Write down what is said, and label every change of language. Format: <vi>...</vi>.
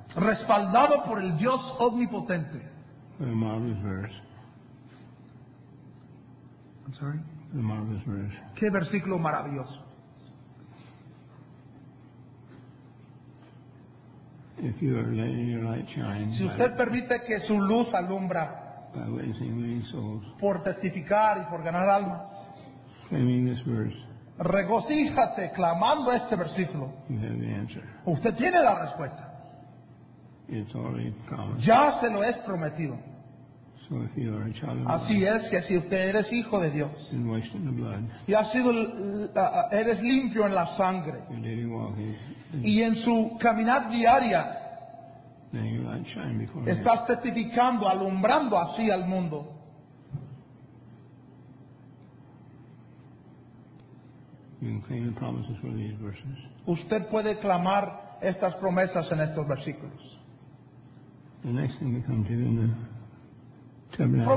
<es>Respaldado por el Dios omnipotente.</es> <en>What a marvelous verse. I'm sorry. What a marvelous verse.</en> <es>¿Qué versículo maravilloso?</es> <en>If you are letting your light shine.</en> <es>Si usted permite que su luz alumbra.</es> <en>By witnessing winning souls.</en> <es>Por testificar y por ganar almas.</es> <en>Claiming this verse.</en> <es>Regocíjate clamando este versículo.</es> <en>You have the answer.</en> <es>Usted tiene la respuesta.</es> <en>It's already promised.</en> <es>Ya se lo es prometido.</es> <en>So if you are a child of</en> <es>God, así es que si usted eres hijo de Dios</es> <en>and washed in the blood,</en> <es>y has sido, eres limpio en la sangre</es> <en>your daily walk is,</en> <es>y en su caminar diaria</es> <en>then your light shine before</en> <es>estás</es> <en>him.</en> <es>Testificando, alumbrando así al mundo.</es> <en>You can claim the promises for these verses.</en> <es>Usted puede clamar estas promesas en estos versículos.</es> <en>The next thing we come to in the tabernacle.</en>